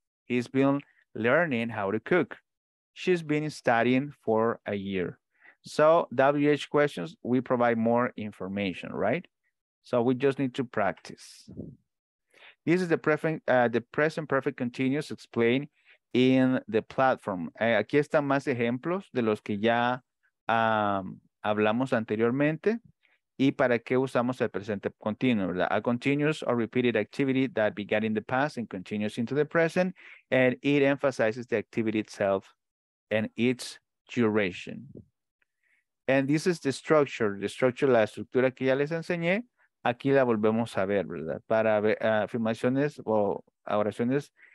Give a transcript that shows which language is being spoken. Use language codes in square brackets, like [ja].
[en] He's been learning how to cook. She's been studying for a year. So WH questions, we provide more information, right? So we just need to practice. This is the present perfect continuous explained in the platform. [es] Aquí están más ejemplos de los que ya hablamos anteriormente. ¿Y para qué usamos el presente continuo, verdad? [en] A continuous or repeated activity that began in the past and continues into the present, and it emphasizes the activity itself and its duration. And this is the structure. The structure, [es] la estructura que ya les enseñé, aquí la volvemos a ver, ¿verdad? Para afirmaciones o oraciones